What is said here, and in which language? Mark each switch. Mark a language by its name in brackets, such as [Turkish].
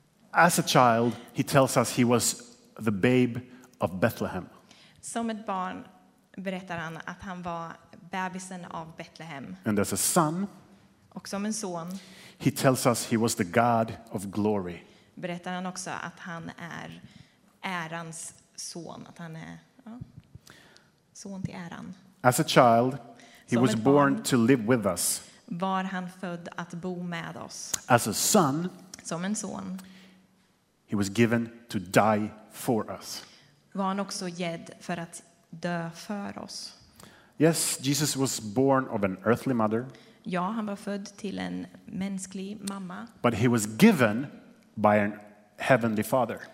[English] As a child, he tells us he was the babe of Bethlehem. [Swedish] Som ett barn berättar han att han var bebisen av Bethlehem. [English] And as a son, [Swedish] och som en son, [English] he tells us he was the God of glory. [Swedish] Berättar han också att han är ärans son, att han är son till äran. [English] As a child, he was born to live with us. [Swedish] Var han född att bo med oss. [English] As a son, [Swedish] som en son, [English] he was given to die for us. [Swedish] Var han också gädd för att dö för oss. [English] Yes, Jesus was born of an earthly mother. [Swedish] Ja, han var född till en mänsklig mamma. [English] But he was given by an heavenly father.